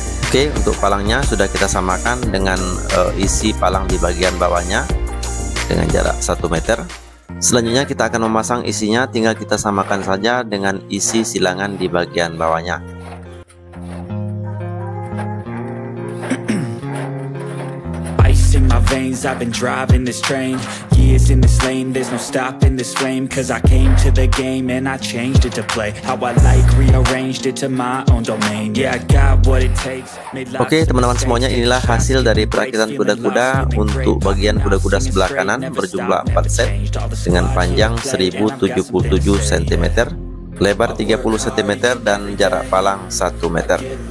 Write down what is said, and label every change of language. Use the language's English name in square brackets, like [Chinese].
[Indonesian] Oke, untuk palangnya sudah kita samakan dengan isi palang di bagian bawahnya dengan jarak 1 meter. Selanjutnya kita akan memasang isinya, tinggal kita samakan saja dengan isi silangan di bagian bawahnya. [English] Ice in my veins, I've been driving this train. Years in this lane, there's no stopping this flame. Cause I came to the game and I changed it to play. How I like, rearranged it to my own domain. Yeah, I got what it takes. [Indonesian] Oke teman-teman semuanya, inilah hasil dari perakitan kuda-kuda untuk bagian kuda-kuda sebelah kanan berjumlah 4 set dengan panjang 1077 cm, lebar 30 cm dan jarak palang 1 meter.